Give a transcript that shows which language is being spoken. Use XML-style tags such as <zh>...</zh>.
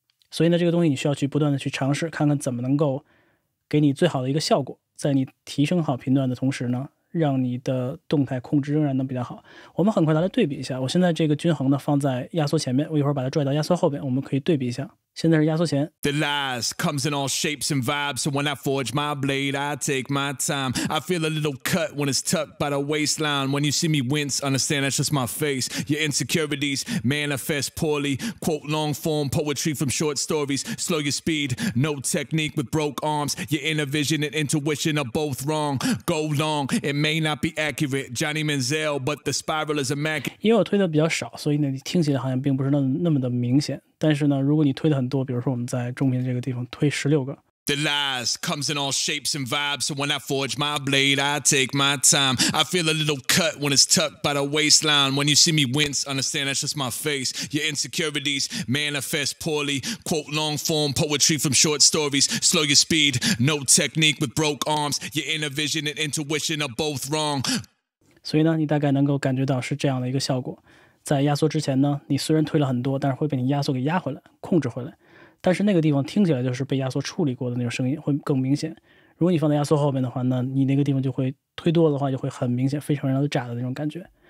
<zh>所以呢，这个东西你需要去不断的去尝试，看看怎么能够给你最好的一个效果，在你提升好频段的同时呢，让你的动态控制仍然能比较好。我们很快来对比一下，我现在这个均衡呢放在压缩前面，我一会儿把它拽到压缩后面，我们可以对比一下。现在是压缩前。</zh> <en>The last comes in all shapes and vibes, and when I forge my blade, I take my time. I feel a little cut when it's tucked by the waistline. When you see me wince, understand that's just my face. Your insecurities manifest poorly. Quote long form poetry from short stories. Slow your speed, no technique with broke arms. Your inner vision and intuition are both wrong. Go long, it may not be accurate, Johnny Manziel, but the spiral is immaculate.</en> <zh>因为我推的比较少，所以呢，听起来好像并不是那么的明显。但是呢，如果你推的很多，比如说我们在中频这个地方推16个。</zh> <en>The last comes in all shapes and vibes, so when I forge my blade, I take my time. I feel a little cut when it's tucked by the waistline. When you see me wince, understand that's just my face. Your insecurities manifest poorly. Quote long form poetry from short stories. Slow your speed, no technique with broke arms. Your inner vision and intuition are both wrong.</en> <zh>所以呢，你大概能够感觉到是这样的一个效果。在压缩之前呢，你虽然推了很多，但是会被你压缩给压回来，控制回来，但是那个地方听起来就是被压缩处理过的那种声音会更明显。如果你放在压缩后面的话呢，你那个地方就会推多的话就会很明显，非常非常的炸的那种感觉。</zh>